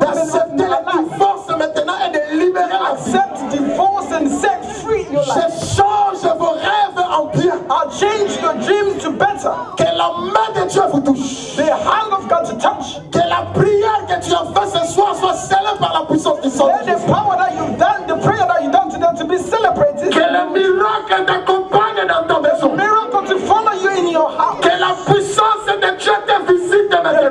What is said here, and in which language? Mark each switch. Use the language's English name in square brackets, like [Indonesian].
[French] D'accepter la divorce maintenant et de libérer la vie. [English] Accept divorce and set free your life. [French] Je change vos rêves en bien. [English] I change your dreams to better. [French] Que la main de Dieu vous touche. [English] The hand of God to touch. [French] Que la prière que tu as fait ce soir soit scellée par la puissance du Saint-Esprit. [English] Let the power that you've done, the prayer that you've done today to be celebrated. [French] Que le miracle t'accompagne dans ta maison. [English] The miracle to follow you in your house. [French] Que la puissance de Dieu te visite maintenant.